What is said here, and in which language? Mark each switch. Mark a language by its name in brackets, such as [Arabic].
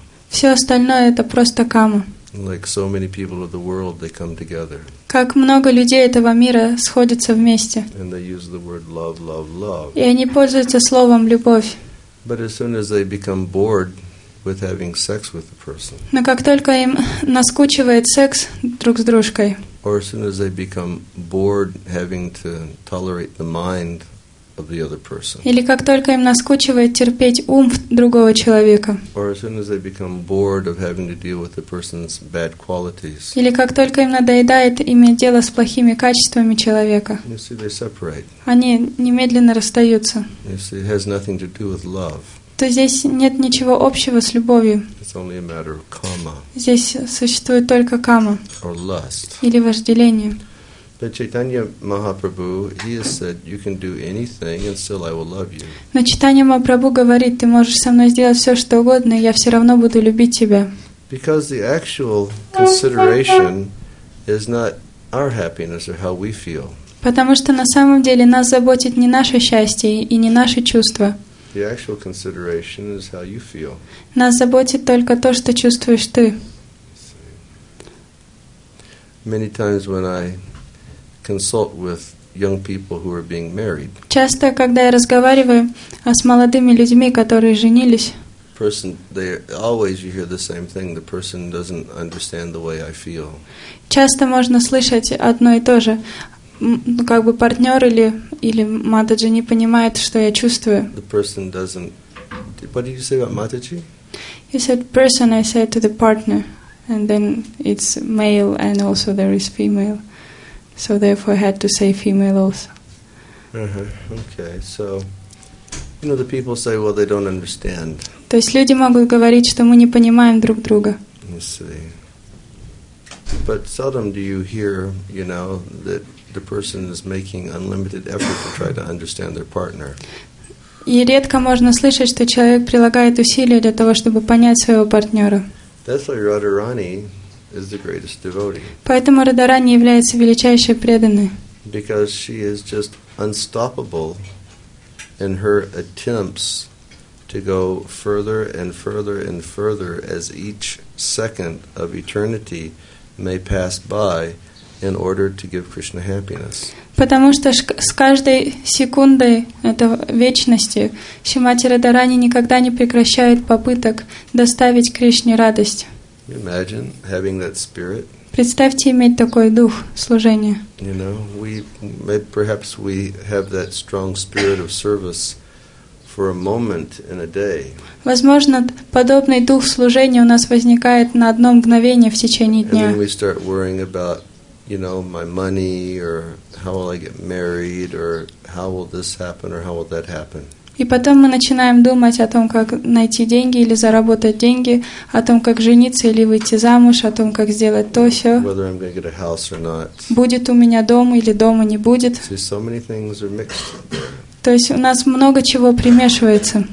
[Russian] Все остальное — это просто кама. [English] Like so many people of the world, they come together. [Russian] Как много людей этого мира сходятся вместе. [English] And they use the word love, love, love. [Russian] И они пользуются словом «любовь». [English] But as soon as they become bored with having sex with the person. [Russian] Но как только им наскучивает секс друг с дружкой. [English] Or as soon as they become bored having to tolerate the mind of the other person. [Russian] Или как только им наскучивает терпеть ум другого человека. [English] Or as soon as they become bored of having to deal with the person's bad qualities. [Russian] Или как только им надоедает иметь дело с плохими качествами человека. [English] You see, they separate. [Russian] Они немедленно расстаются. [English] You see, it has nothing to do with love. [Russian] То здесь нет ничего общего с любовью. [English] It's only a matter of kama. [Russian] Здесь существует только кама. [English] Or lust. [Russian] Или вожделение. [English] But Chaitanya Mahaprabhu, he has said, you can do anything and still I will love you. [Russian] Но Чайтанья Махапрабху говорит, ты можешь со мной сделать все, что угодно, и я все равно буду любить тебя. [English] Because the actual consideration is not our happiness or how we feel. [Russian] Потому что на самом деле нас заботит не наше счастье и не наши чувства. [English] The actual consideration is how you feel. [Russian] Нас заботит только то, что чувствуешь ты. [English] Many times when I consult with young people who are being married. [Russian] Часто, когда я разговариваю с молодыми людьми, которые женились. [English] Person, they always you hear the same thing. The person doesn't understand the way I feel. [Russian] Часто можно слышать одно и то же, как бы партнер или матаджи не понимает, что я чувствую. [English] The person doesn't. What did you say about mataji? You said person. I said to the partner, and then it's male, and also there is female. So therefore, I had to say female also. Okay, so you know the people say, well, they don't understand. [Russian] То есть люди могут говорить, что мы не понимаем друг друга. [English] You see, but seldom do you hear, you know, that the person is making unlimited effort to try to understand their partner. [Russian] И редко можно слышать, что человек прилагает усилия для того, чтобы понять своего партнера. [English] That's why Radharani is the greatest devotee. [Russian] Поэтому Радхарани является величайшей преданной. [English] Because she is just unstoppable in her attempts to go further and further and further as each second of eternity may pass by in order to give Krishna happiness. [Russian] Потому что с каждой секундой этого вечности Шримати Радхарани никогда не прекращает попыток доставить Кришне радость. [English] Imagine having that spirit. [Russian] Представьте иметь такой дух служения. [English] You know, perhaps we have that strong spirit of service for a moment in a day. [Russian] Возможно, подобный дух служения у нас возникает на одно мгновение в течение дня. [English] And then we start worrying about, you know, my money or how will I get married or how will this happen or how will that happen. [Russian] И потом мы начинаем думать о том, как найти деньги или заработать деньги, о том, как жениться или выйти замуж, о том, как сделать то, все. [English] Whether I'm going to get a house or not. [Russian] Будет у меня дом или дома не будет. [English] See, so many things are mixed. [Russian] То есть у нас много чего примешивается.